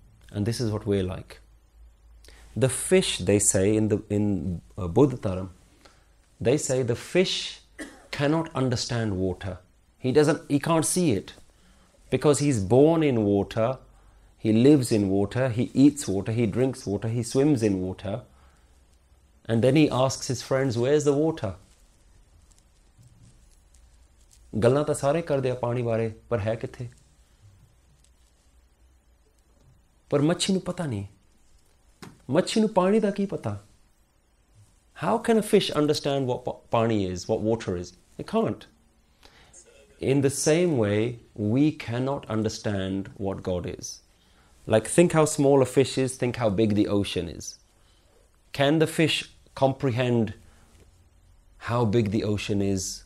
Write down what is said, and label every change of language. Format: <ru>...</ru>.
<en>And this is what we're like. The fish, they say in Buddha Dharam, they say the fish cannot understand water. He can't see it. Because he's born in water, he lives in water, he eats water, he drinks water, he swims in water. And then he asks his friends, where's the water?</en> <pa>ਗੱਲਾਂ ਤਾ ਸਾਰੇ ਕਰ ਦਿਆ ਪਾਣੀ ਬਾਰੇ, ਪਰ ਹੈ ਕਿੱਥੇ? ਪਰ ਮੱਛੀ ਨੂੰ ਪਤਾ ਨਹੀਂ. ਮੱਛੀ ਨੂੰ ਪਾਣੀ ਦਾ ਕੀ ਪਤਾ?</pa> <en>How can a fish understand what paani is, what water is? It can't. In the same way, we cannot understand what God is. Like, think how small a fish is, think how big the ocean is. Can the fish comprehend how big the ocean is?</en>